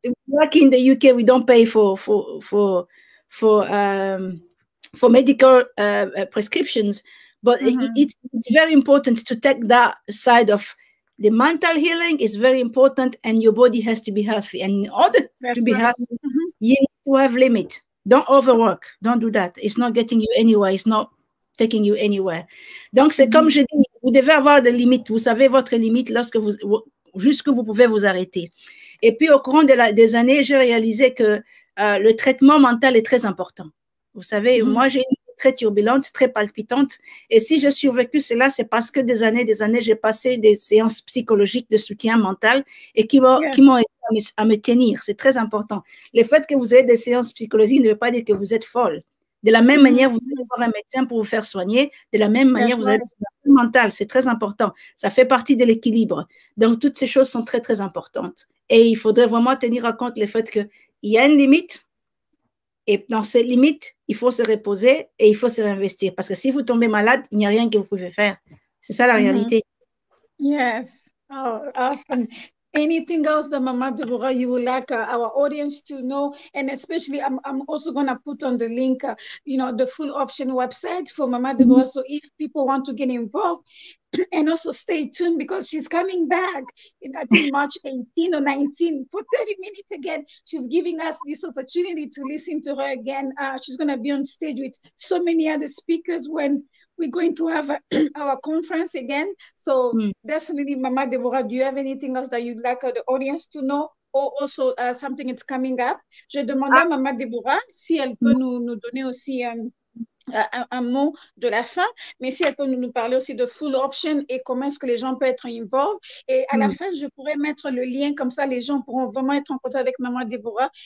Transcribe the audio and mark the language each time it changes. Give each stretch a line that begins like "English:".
English: Like in the UK, we don't pay for medical prescriptions, but it's very important to take that side of the mental healing is very important, and your body has to be healthy. And in order to be healthy, you need to have limit. Don't overwork. Don't do that. It's not getting you anywhere. It's not taking you anywhere.
French: Donc, c'est comme je dis, vous devez avoir des limites. Vous savez votre limite lorsque vous, jusqu'où vous pouvez vous arrêter. Et puis, au courant de des années, j'ai réalisé que le traitement mental est très important. Vous savez, moi, j'ai une vie très turbulente, très palpitante. Et si j'ai survécu cela, c'est parce que des années, j'ai passé des séances psychologiques de soutien mental et qui m'ont aidé à me tenir. C'est très important. Le fait que vous ayez des séances psychologiques ne veut pas dire que vous êtes folle. De la même manière, vous allez voir un médecin pour vous faire soigner. De la même manière, vous avez besoin de mental. C'est très important. Ça fait partie de l'équilibre. Donc, toutes ces choses sont très, très importantes. Et il faudrait vraiment tenir en compte le fait qu'il y a une limite. Et dans cette limite, il faut se reposer et il faut se réinvestir. Parce que si vous tombez malade, il n'y a rien que vous pouvez faire. C'est ça la réalité.
English: Yes. Oh, awesome. Anything else that Mama Deborah, you would like our audience to know, and especially I'm also going to put on the link, you know, the full option website for Mama Deborah. So if people want to get involved and also stay tuned, because she's coming back in I think March 18 or 19 for 30 minutes again, she's giving us this opportunity to listen to her again. She's going to be on stage with so many other speakers when we're going to have our conference again. So definitely, Mama Deborah, do you have anything else that you'd like the audience to know? Or also something that's coming up?
French: Je demandais à Mama Deborah si elle peut nous donner aussi un mot de la fin, mais si elle peut nous parler aussi de full option et comment est-ce que les gens peuvent être involved. Et à la fin, je pourrais mettre le lien, comme ça les gens pourront vraiment être en contact avec Maman Deborah.